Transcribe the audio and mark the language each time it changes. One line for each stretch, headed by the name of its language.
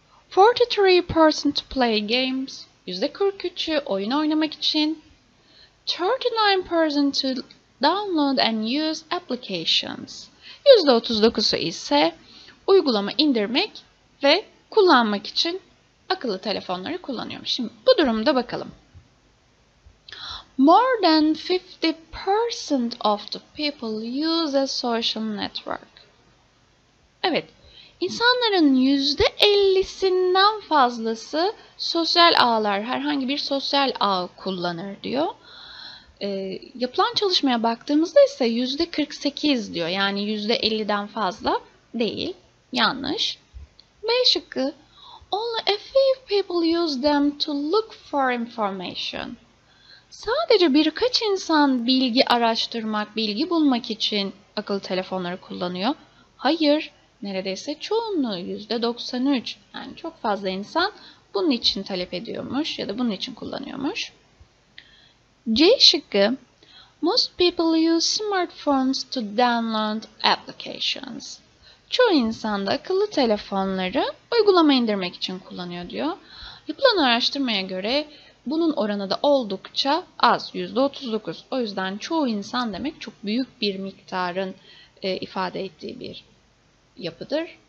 English: 43% to play games.
Turkish: %43'ü oyun oynamak için.
English: 39% to download and use applications.
Turkish: %39'u ise uygulama indirmek ve kullanmak için akıllı telefonları kullanıyorum. Şimdi bu durumda bakalım.
English: More than 50% of the people use a social network.
Turkish: Evet, insanların %50'sinden fazlası sosyal ağlar, herhangi bir sosyal ağ kullanır diyor. Yapılan çalışmaya baktığımızda ise %48 diyor. Yani %50'den fazla değil. Yanlış. B şıkkı.
English: Only a few people use them to look for information.
Turkish: Sadece birkaç insan bilgi araştırmak, bilgi bulmak için akıllı telefonları kullanıyor. Hayır. Neredeyse çoğunluğu %93. Yani çok fazla insan bunun için talep ediyormuş ya da bunun için kullanıyormuş. C şıkkı,
English: most people use smartphones to download applications.
Turkish: Çoğu insan da akıllı telefonları uygulama indirmek için kullanıyor diyor. Yapılan araştırmaya göre bunun oranı da oldukça az, %39. O yüzden çoğu insan demek çok büyük bir miktarın ifade ettiği bir yapıdır.